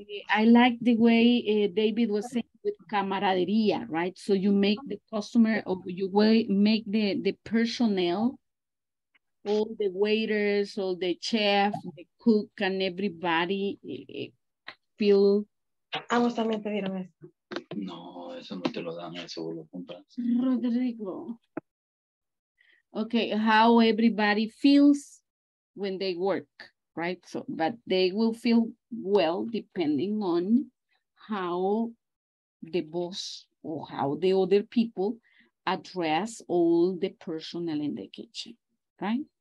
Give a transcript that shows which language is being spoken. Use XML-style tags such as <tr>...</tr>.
<en>I like the way David was saying with camaraderia, right? So you make the customer, or you make the personnel, all the waiters, all the chef, the cook, and everybody feel.</en> <es>Ambos también te dieron eso. No, eso no te lo dan, eso lo compras. Rodrigo.</es> <en>Okay, how everybody feels when they work, right? So, but they will feel well depending on how the boss or how the other people address all the personnel in the kitchen, right?</en>